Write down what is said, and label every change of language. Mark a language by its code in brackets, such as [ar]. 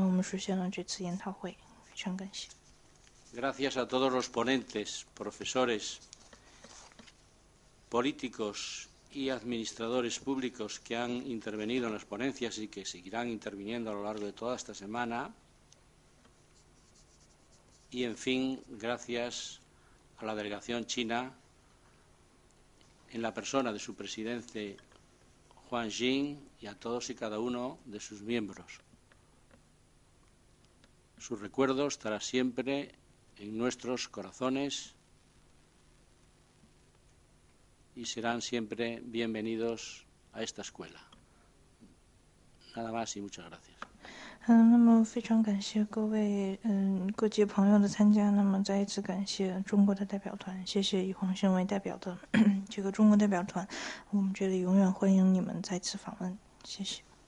[zh] 那么最后我还想说的就是非常感谢徐柳教授，感谢他和我们之间还有和这个人民研究所之间的这种密切的学术往来和交往，让我们实现了这次研讨会，非常感谢。 [es] Gracias a todos los ponentes, profesores, políticos y administradores públicos que han intervenido en las ponencias y que seguirán interviniendo a lo largo de toda esta semana. Y en fin, gracias a la delegación china, en la persona de su presidente Huang Jin y a todos y cada uno de sus miembros. Su recuerdo estará siempre en nuestros corazones y serán siempre bienvenidos a esta escuela. Nada más y muchas gracias. [zh] 那么非常感谢各位各界朋友的参加，那么再一次感谢中国的代表团，谢谢以黄勋为代表的这个中国代表团，我们这里永远欢迎你们再次访问，谢谢。